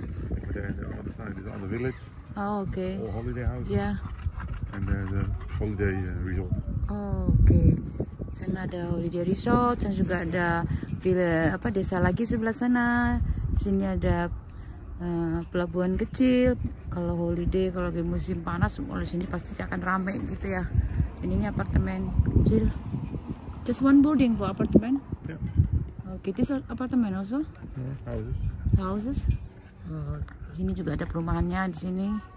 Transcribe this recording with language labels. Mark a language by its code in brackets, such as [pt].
[en] Over there, the other side is another village. Oh, okay. Or holiday house. Yeah. And there's a holiday resort. Oh, okay. [id] Sana ada holiday resort, dan juga ada villa apa desa lagi sebelah sana. Sini ada pelabuhan kecil. Kalau holiday, kalau lagi musim panas, mulai sini pasti akan ramai gitu ya. Dan ini apartemen kecil. [en] Just one building for apartment? Yeah. Okay, this apartment also? Houses. Houses? [id] Oh, ini juga ada perumahannya di sini.